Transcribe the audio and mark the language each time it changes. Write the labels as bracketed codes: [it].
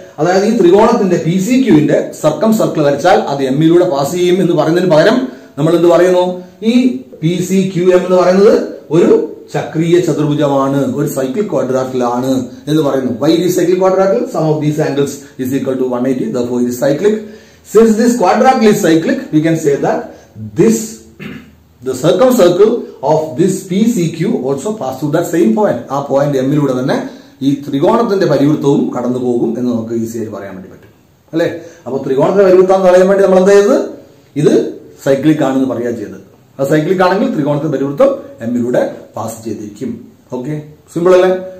[ml] അതായത് ഈ ത്രികോണത്തിന്റെ പി സി ക്യൂവിന്റെ സർക്കം സർക്കിൾ വരച്ചാൽ അത് എം ഇലൂടെ പാസ് ചെയ്യും എന്ന് പറയുന്നതിന് പകരം നമ്മൾ എന്ത് പറയുന്നു? ഈ പി സി ക്യൂ എം എന്ന് പറയുന്നത് ഒരു ചക്രീയ ചതുർഭുജമാണ്, ഒരു സൈക്കിൾ ക്വാഡ്രാറ്റിലാണ് എന്ന് പറയുന്നു. [en] Why is cyclic quadrilateral? Sum of these angles is equal to 180, therefore it is cyclic. Since this quadrilateral is cyclic, we can say that this, the circumcircle of this PCQ also passes through that same point. [ml] ആ point M ലൂടെ തന്നെ ഈ ത്രികോണത്തിന്റെ പരിവൃത്തവും കടന്നു പോകും എന്ന് നമുക്ക് easy ആയിട്ട് പറയാൻ വേണ്ടി പറ്റും അല്ലെ? അപ്പൊ ത്രികോണത്തിന്റെ പരിവൃത്തം എന്ന് പറയാൻ വേണ്ടി നമ്മൾ എന്താ ചെയ്തത്? ഇത് സൈക്ലിക് ആണെന്ന് പറയുക ചെയ്തത്. അത് സൈക്ലിക് ആണെങ്കിൽ ത്രികോണത്തിന്റെ പരിവൃത്തം എം ലൂടെ പാസ് ചെയ്തിരിക്കും. ഓക്കെ, സിമ്പിൾ അല്ലേ?